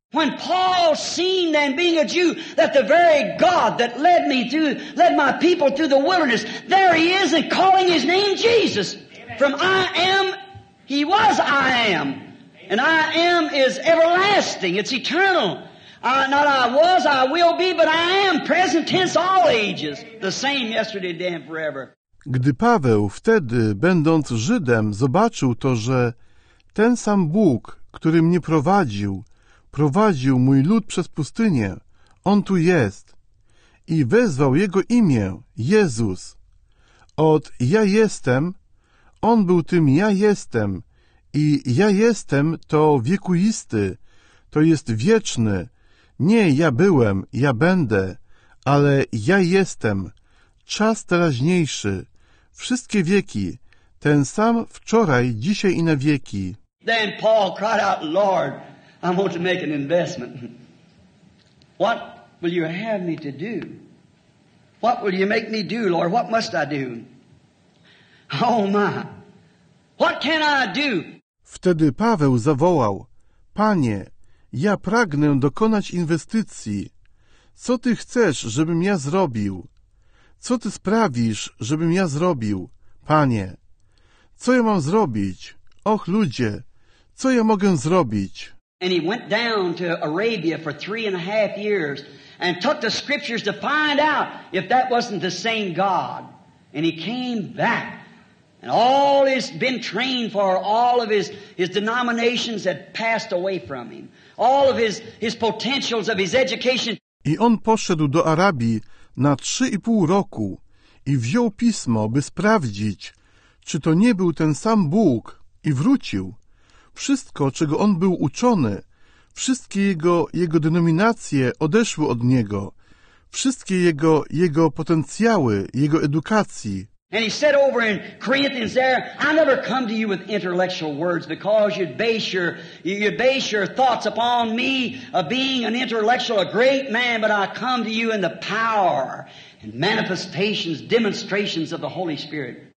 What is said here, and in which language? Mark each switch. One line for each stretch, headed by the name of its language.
English: When Paul seen then being a Jew that the very God that led me through, led my people through the wilderness, there he is and calling his name Jesus. From I am, he was I am. And I am is everlasting, it's eternal. Not I was, I will be, but I am, present tense all ages. The same yesterday, today and forever.
Polish: Gdy Paweł wtedy, będąc Żydem, zobaczył to, że ten sam Bóg, który mnie prowadził, prowadził mój lud przez pustynię. On tu jest. I wezwał jego imię, Jezus. Od ja jestem, on był tym ja jestem. I ja jestem to wiekuisty, to jest wieczny. Nie ja byłem, ja będę, ale ja jestem. Czas teraźniejszy, wszystkie wieki, ten sam wczoraj, dzisiaj i na wieki.
English: Then Paul cried out, Lord, I want to make an investment. What will you have me to do? What will you make me do, Lord? What must I do? Oh my! What can I do?
Polish: Wtedy Paweł zawołał, Panie, ja pragnę dokonać inwestycji. Co Ty chcesz, żebym ja zrobił? Co Ty sprawisz, żebym ja zrobił, Panie? Co ja mam zrobić? Och ludzie, co ja mogę zrobić?
English: And he went down to Arabia for 3.5 years and took the scriptures to find out if that wasn't the same God. And he came back. And all he's been trained for, all of his denominations had passed away from him. All of his potentials of his education.
Polish: I on poszedł do Arabii na 3.5 roku i wziął pismo, by sprawdzić, czy to nie był ten sam Bóg, i wrócił. Wszystko, czego on był uczony, wszystkie jego denominacje odeszły od niego, wszystkie jego potencjały, jego edukacji.
English: And he said over in Corinthians there, I never come to you with intellectual words because you base your thoughts upon me of being an intellectual, a great man, but I come to you in the power and manifestations, demonstrations of the Holy Spirit.